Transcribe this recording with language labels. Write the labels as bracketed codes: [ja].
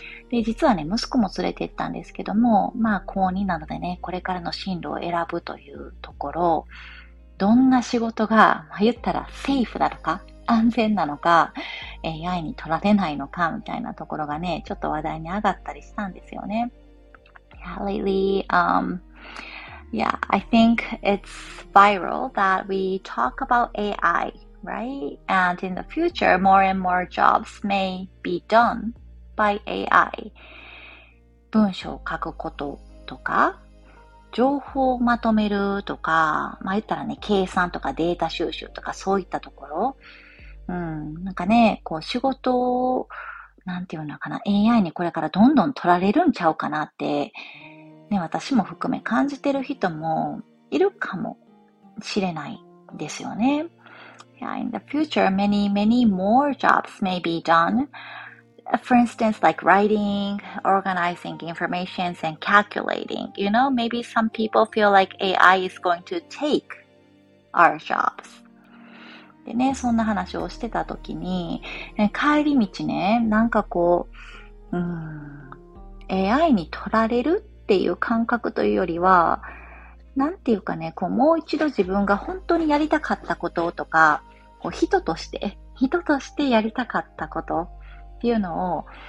[ja] で、実はね、息子も連れて行ったんですけども、まあ高2なのでね、これからの進路を選ぶというところ、どんな仕事が、まあ、言ったらセーフなのか安全なのか AI に取られないのかみたいなところがね、ちょっと話題に上がったりしたんですよね。 [en] Lately, yeah, I think it's viral that we talk about AI, right? And in the future, more and more jobs may be done by AI. [ja] 文章を書くこととか、情報をまとめるとか、まあ、言ったらね、計算とかデータ収集とかそういったところ。なんかね、こう仕事を、なんていうのかな、AI にこれからどんどん取られるんちゃうかなって、ね、私も含め感じてる人もいるかもしれないですよね。 [en] Yeah, in the future, many, many more jobs may be done. For instance, like writing, organizing information and calculating. You know, maybe some people feel like AI is going to take our jobs. [ja] でね、そんな話をしてたときに、帰り道ね、なんかこう、AI に取られるっていう感覚というよりは、なんていうかね、こう、もう一度自分が本当にやりたかったこととか、こう、人としてやりたかったことっていうのを、